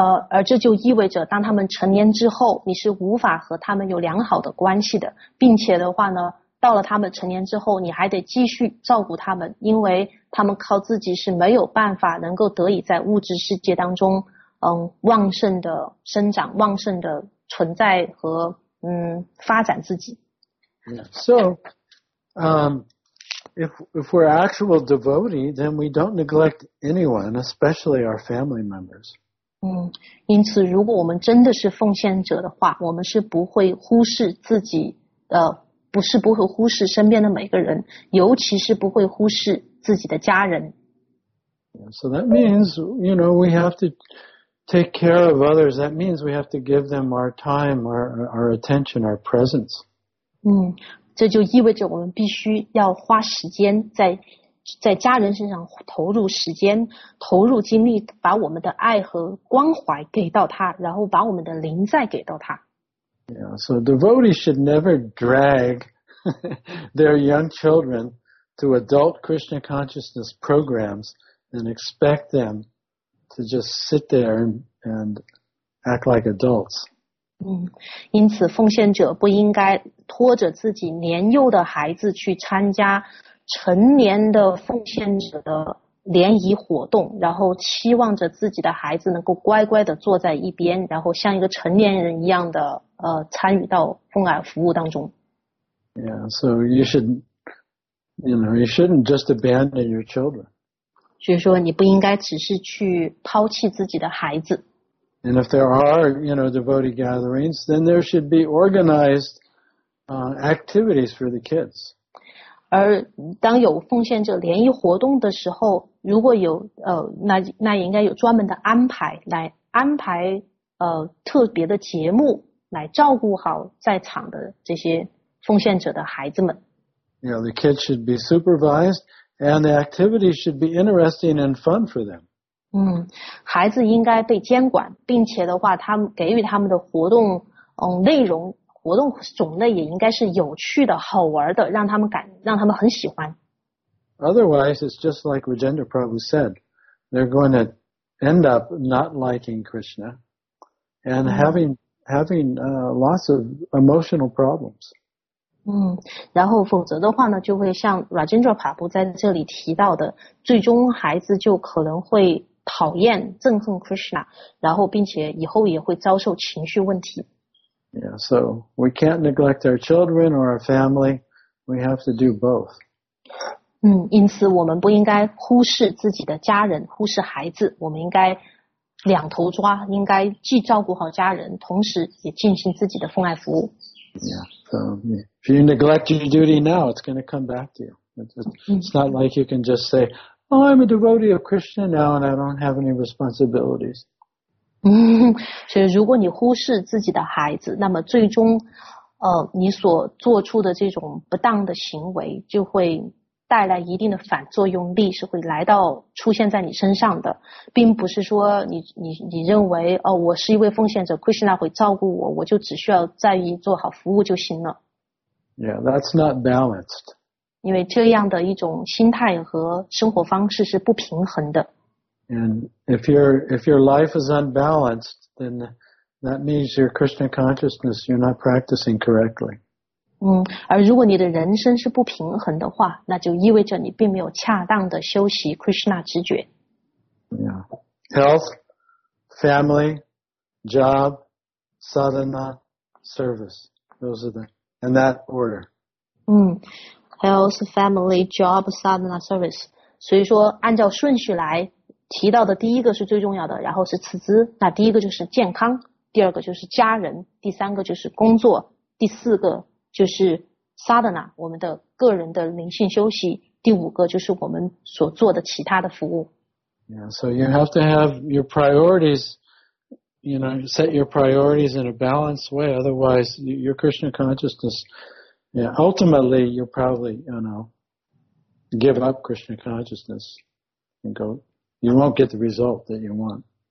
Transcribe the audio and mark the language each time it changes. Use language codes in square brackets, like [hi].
[zh] 而这就意味着当他们成年之后，你是无法和他们有良好的关系的，并且的话呢，到了他们成年之后，你还得继续照顾他们，因为他们靠自己是没有办法能够得以在物质世界当中，旺盛的生长，旺盛的存在和发展自己。 [en] So, if we're actual devotee, then we don't neglect anyone, especially our family members. [zh] 因此如果我们真的是奉献者的话，我们是不会忽视自己的，不是不会忽视身边的每个人，尤其是不会忽视自己的家人。 [en] So that means, you know, we have to take care of others. That means we have to give them our time, our attention, our presence. [zh] 这就意味着我们必须要花时间在家人身上投入时间，投入精力，把我们的爱和关怀给到他，然后把我们的灵再给到他。 [en] Yeah, so devotees should never drag their young children to adult Krishna consciousness programs and expect them to just sit there and act like adults. [zh] 因此奉献者不应该拖着自己年幼的孩子去参加成年的奉献者的联谊活动，然后期望着自己的孩子能够乖乖的坐在一边，然后像一个成年人一样的参与到奉献服务当中。 [en] Yeah, so you shouldn't just abandon your children. [zh] 所以说你不应该只是去抛弃自己的孩子。 [en] And if there are, you know, devotee gatherings, then there should be organized activities for the kids. [zh] 而当有奉献者联谊活动的时候，如果有那也应该有专门的安排来安排特别的节目来照顾好在场的这些奉献者的孩子们。 [en] Yeah, the kids should be supervised and the activity should be interesting and fun for them. [zh] 孩子应该被监管，并且的话他们给予他们的活动内容活动种类也应该是有趣的、好玩的，让他们很喜欢。 [en] Otherwise, it's just like Rajendra Prabhu said, they're going to end up not liking Krishna and having lots of emotional problems. [zh] 然后否则的话呢，就会像 Rajendra Prabhu 在这里提到的，最终孩子就可能会讨厌、憎恨 Krishna， 然后并且以后也会遭受情绪问题。 [en] Yeah, so we can't neglect our children or our family. We have to do both. [zh] 因此我们不应该忽视自己的家人，忽视孩子。我们应该两头抓，应该既照顾好家人，同时也进行自己的奉爱服务。 [en] Yeah, so if you neglect your duty now, it's going to come back to you. It's not like you can just say, "Oh, I'm a devotee of Krishna now, and I don't have any responsibilities." [zh] 所以如果你忽视自己的孩子，那么最终你所做出的这种不当的行为就会带来一定的反作用力，是会来到出现在你身上的，并不是说你认为哦，我是一位奉献者， Krishna 会照顾我，我就只需要在意做好服务就行了。 [en] Yeah, that's not balanced. [zh] 因为这样的一种心态和生活方式是不平衡的。 [en] And if your life is unbalanced, then that means your Krishna consciousness, you're not practicing correctly. [zh] 而如果你的人生是不平衡的话，那就意味着你并没有恰当的修习 Krishna 直觉。 [en] Yeah. Health, family, job, sadhana, service. Those are the, in that order. Health, family, job, sadhana, service. [zh] 所以说按照顺序来提到的第一个是最重要的，然后是次之，那第一个就是健康，第二个就是家人，第三个就是工作，第四个就是 sadhana， 我们的个人的灵性休息，第五个就是我们所做的其他的服务。 [en] Yeah, so you have to have your priorities, you know, set your priorities in a balanced way, otherwise your Krishna consciousness, yeah, ultimately you'll probably, you know, give up Krishna consciousness and go, you won't get the result that you want.